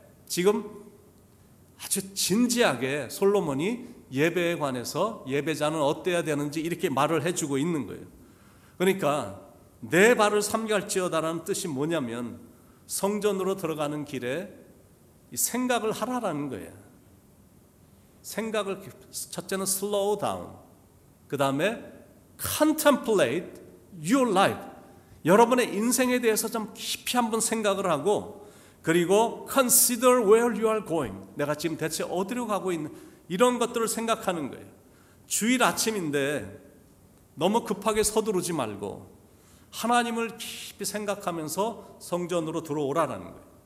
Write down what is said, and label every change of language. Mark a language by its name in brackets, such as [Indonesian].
[Korean] 지금 아주 진지하게 솔로몬이 예배에 관해서 예배자는 어때야 되는지 이렇게 말을 해주고 있는 거예요. 그러니까 내 발을 삼갈지어다라는 뜻이 뭐냐면 성전으로 들어가는 길에 생각을 하라라는 거예요. 생각을 첫째는 [English] slow down. [Korean] 그 다음에 [English] contemplate your life. [Korean] 여러분의 인생에 대해서 좀 깊이 한번 생각을 하고 그리고 [English] consider where you are going. [Korean] 내가 지금 대체 어디로 가고 있는 이런 것들을 생각하는 거예요. 주일 아침인데 너무 급하게 서두르지 말고 하나님을 깊이 생각하면서 성전으로 들어오라라는 거예요.